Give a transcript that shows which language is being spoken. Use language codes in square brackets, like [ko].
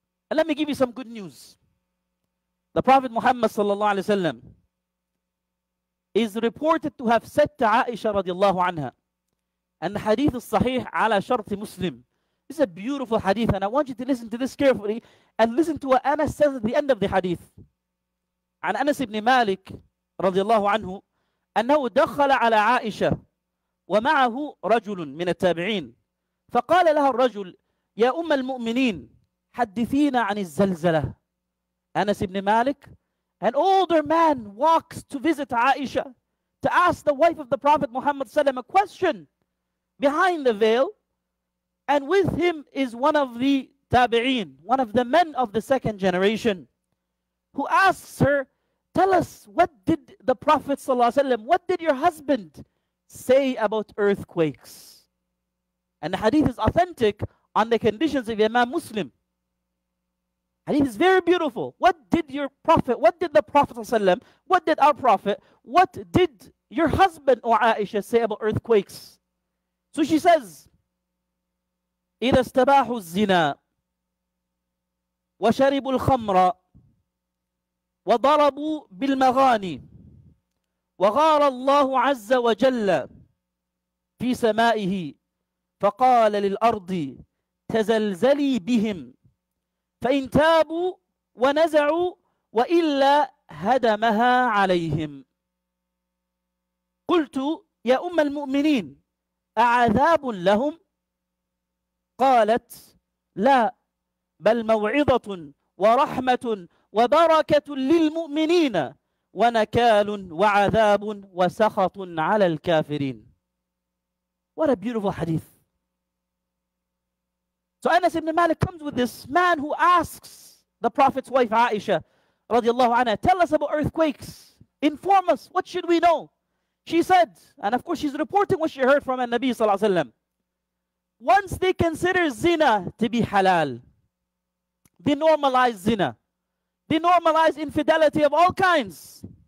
[en] And let me give you some good news. The Prophet Muhammad sallallahu alayhi wa sallam is reported to have said to Aisha radiallahu anha, and the hadith is sahih ala sharti Muslim. This is a beautiful hadith, and I want you to listen to this carefully and listen to what Anas says at the end of the hadith. [ar] An Anas ibn Malik radiallahu anhu, أنه دخل على عائشة ومعه رجل من التابعين فقال لها الرجل يا أم المؤمنين حدثينا عن الزلزلة. [en] Anas ibn Malik, an older man, walks to visit Aisha to ask the wife of the Prophet Muhammad a question behind the veil, and with him is one of the tabi'een, one of the men of the second generation, who asks her, tell us, what did the Prophet sallallahu alaihi wasallam, what did your husband say about earthquakes? And the hadith is authentic on the conditions of Imam Muslim. Hadith is very beautiful. What did your Prophet, what did the Prophet sallallahu alaihi wasallam, what did our Prophet, what did your husband, O Aisha, say about earthquakes? So she says, [ar] إِذَا اسْتَبَاحُ الزِّنَا وَشَرِبُ الْخَمْرَ وَضَرَبُوا بِالْمَغَانِي وَغَارَ اللَّهُ عَزَّ وَجَلَّ فِي سَمَائِهِ فَقَالَ لِلْأَرْضِ تَزَلْزَلِي بِهِمْ فَإِنْ تَابُوا وَنَزَعُوا وَإِلَّا هَدَمَهَا عَلَيْهِمْ قُلْتُ يَا أُمَّ الْمُؤْمِنِينَ أَعَذَابٌ لَهُمْ قَالَتْ لَا بَلْ مَوْعِظَةٌ وَرَحْمَةٌ وبركة للمؤمنين ونكال وعذاب وسخط على الكافرين. [en] What a beautiful hadith. So Anas ibn Malik comes with this man who asks the Prophet's wife Aisha radiallahu anha, tell us about earthquakes, inform us, what should we know? She said, and of course she's reporting what she heard from the Nabi sallallahu alayhi wa sallam, once they consider zina to be halal, they normalize zina, they normalize infidelity of all kinds.